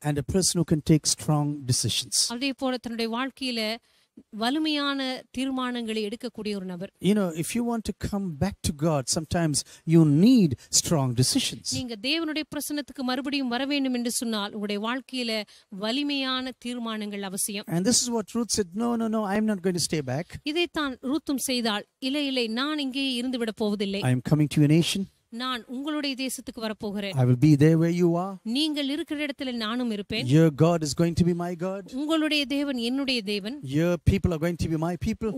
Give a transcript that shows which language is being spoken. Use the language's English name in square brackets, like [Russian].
[English] And a person who can take strong decisions. [Tamil] அதே போல தன்னுடைய வாழ்க்கையில வலிமையான தீர்மானங்களை எடுக்கக்கூடிய ஒரு நபர். [English] You know, if you want to come back to God, sometimes you need strong decisions. [Tamil] நீங்க தேவனுடைய பிரசன்னத்துக்கு மறுபடியும் வர வேண்டும் என்று சொன்னால் உங்களுடைய வாழ்க்கையில வலிமையான தீர்மானங்கள் அவசியம். [English] And this is what Ruth said, no, I am not going to stay back. [Tamil] இதைத்தான் ரூத்தும் செய்தாள். இல்லை, நான் இங்கே இருந்து விட போவதில்லை. [English] I am coming to a nation. [Tamil] நான் உங்களுடைய தேசத்துக்கு வரப்போகிறேன். [English] I will be there where you are. [Tamil] நீங்கள் இருக்கிற இடத்துல நானும் இருப்பேன். [English] Your God is going to be my God. [Tamil] உங்களுடைய தேவன் என்னுடைய தேவன். [English] Your people are going to be my people.